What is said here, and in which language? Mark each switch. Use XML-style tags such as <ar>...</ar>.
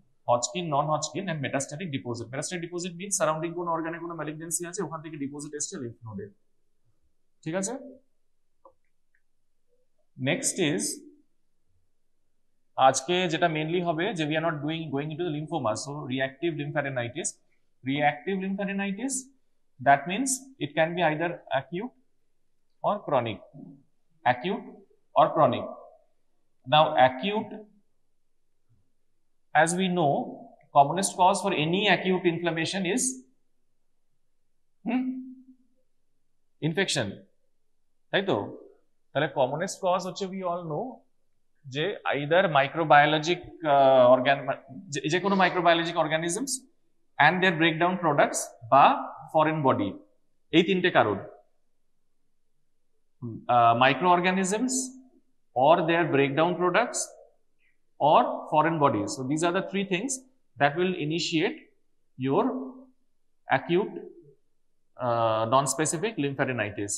<bn>Hodgkin, non Hodgkin and metastatic deposit. Metastatic deposit means surrounding কোনো অর্গানে কোনো malignancy আছে, ওখান থেকে ডিপোজিট এসছে লিম্ফ নোডে। ঠিক আছে,</bn> <en>next is</en> <bn>আজকে যেটা মেইনলি হবে যে</bn> <en>We are not doing going in to lymphoma. So reactive lymphadenitis, reactive lymphadenitis that means it can be either acute or chronic, acute or chronic. Now acute, as we know, commonest cause for any acute inflammation is infection, right? So the commonest cause, which we all know, je either microbiologic organ,</en> <bn>je kono</bn> <en>microbiologic organisms and their breakdown products ba foreign body,</en> <bn>এই তিনটে কারণ।</bn> <en>Micro organisms or there breakdown products or foreign body, so these are the three things that will initiate your acute non specific লিম্ফারেনাইটিস।</en>